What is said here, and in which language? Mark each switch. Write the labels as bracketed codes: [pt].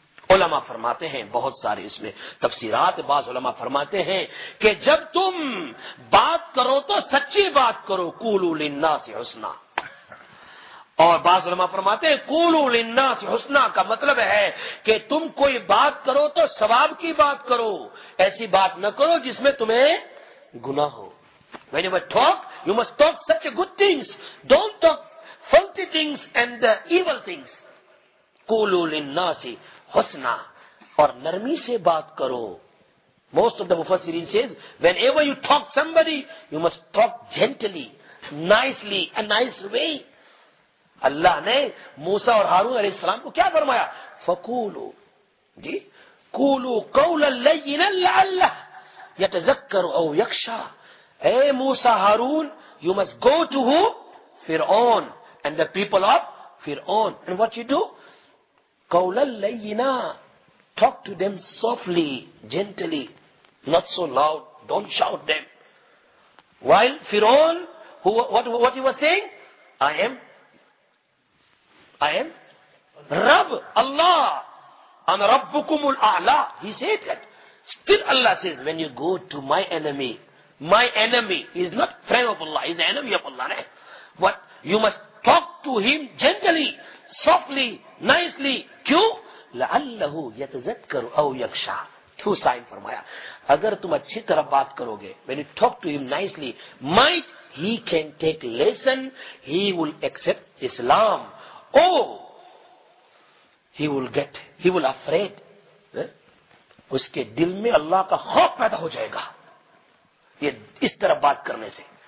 [ur] علماء فرماتے ہیں بہت سارے اس میں تفسیرات, بعض علماء فرماتے ہیں کہ جب تم بات کرو تو سچی بات کرو, [ar] قولوا للناس حسنا, [ur] اور بعض علماء فرماتے ہیں قولوا للناس حسنا کا مطلب ہے کہ تم کوئی بات کرو تو ثواب کی بات کرو, ایسی بات نہ کرو جس میں تمہیں گناہ ہو. [en] When you talk, you must talk such a good things. Don't talk faulty things and the evil things. [ar] قولوا للناس حسنا, [ur] اور نرمی سے بات کرو. [en] Most of the مفسرین says, whenever you talk somebody, you must talk gently, nicely, a nice way. [ur] اللہ نے موسیٰ اور ہارون علیہ السلام کو کیا فرمایا, فقولوا, جی, [ar] قولوا قولا لینا لعلہ یتذکر او یخشا, [ur] اے موسیٰ Haroon, [en] you must go to who? فرعون and the people of فرعون. And what you do? [ar] قولا لینا, [en] talk to them softly, gently, not so loud, don't shout them. While فرعون, what he was saying? I am رب, اللہ, [ar] انا ربکم الاعلا, [en] he said that. Still Allah says, when you go to my enemy is not friend of Allah, is the enemy of Allah, right? But you must talk to him gently, softly, nicely. [ur] کیوں؟ [ar] لعلہ یتذکر او یخشا. [ur] تو sign فرمایا اگر تم اچھی طرح بات کرو گے, [en] when you talk to him nicely, might he can take lesson, he will accept Islam, oh, he will afraid, [ur] اس کے دل میں اللہ کا خوف پیدا ہو جائے گا یہ اس طرح بات کرنے سے.